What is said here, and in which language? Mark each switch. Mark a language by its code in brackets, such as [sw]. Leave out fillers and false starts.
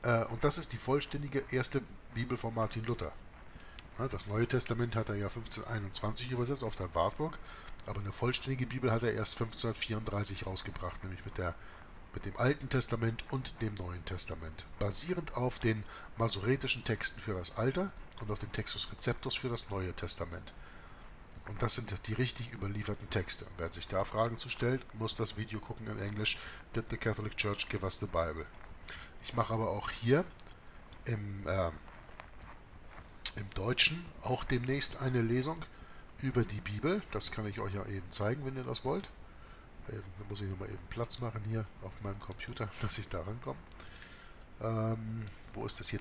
[de] Und das ist die vollständige erste Bibel von Martin Luther. Das Neue Testament hat er ja 1521 übersetzt auf der Wartburg, aber eine vollständige Bibel hat er erst 1534 rausgebracht, nämlich mit dem Alten Testament und dem Neuen Testament. Basierend auf den masoretischen Texten für das Alte und auf dem Textus Receptus für das Neue Testament. Und das sind die richtig überlieferten Texte. Wer sich da Fragen zu stellt, muss das Video gucken in Englisch. [en] Did the Catholic Church give us the Bible? [de] Ich mache aber auch hier im Deutschen auch demnächst eine Lesung über die Bibel. Das kann ich euch ja eben zeigen, wenn ihr das wollt. Da muss ich nochmal eben Platz machen hier auf meinem Computer, dass ich da rankomme. Wo ist das hier?